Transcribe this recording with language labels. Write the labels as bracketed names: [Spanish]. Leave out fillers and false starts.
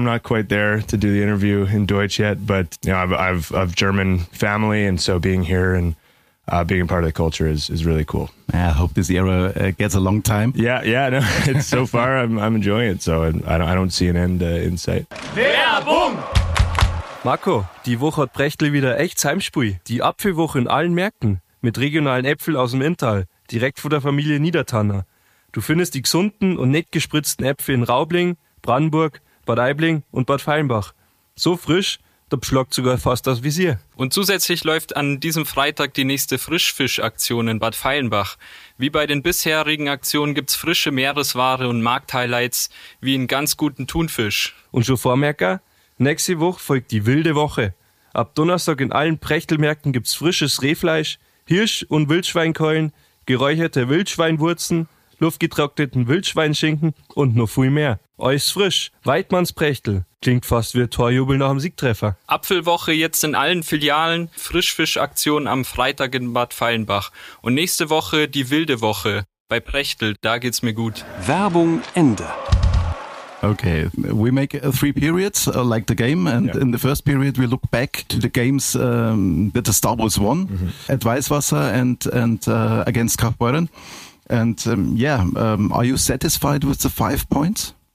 [English] I'm not quite there to do the interview in Deutsch yet, but you know, I've of German family, and so being here and being a part of the culture is really cool. I hope this era gets a long time. Yeah. No, it's so far, I'm enjoying it. So I don't see an end in sight. [German] Werbung! Marco, die Woche hat Prechtl wieder echt Heimspiel. Die Apfelwoche in allen Märkten mit regionalen Äpfeln aus dem Inntal, direkt von der Familie Niedertanner. Du findest die gesunden und nett gespritzten Äpfel in Raubling, Brandenburg, Bad Aibling und Bad Feilenbach. So frisch, da beschlagt sogar fast das Visier. Und zusätzlich läuft an diesem Freitag die nächste Frischfischaktion in Bad Feilenbach. Wie bei den bisherigen Aktionen gibt's frische Meeresware und Markthighlights wie einen ganz guten Thunfisch. Und schon Vormerker, nächste Woche folgt die wilde Woche. Ab Donnerstag in allen Prechtl-Märkten gibt's frisches Rehfleisch, Hirsch- und Wildschweinkeulen, geräucherte Wildschweinwurzen, luftgetrockneten Wildschweinschinken und noch viel mehr. Alles frisch, Weidmannsprechtl. Klingt fast wie Torjubel nach dem Siegtreffer. Apfelwoche jetzt in allen Filialen, Frischfischaktion am Freitag in Bad Feilenbach. Und nächste Woche die wilde Woche bei Prechtl, da geht's mir gut. Werbung Ende. [English] Okay, we make three periods, like the game, and in the first period we look back to the games that the Star Wars won, at Weißwasser and against Kaufbeuren. And are you satisfied with the 5 points?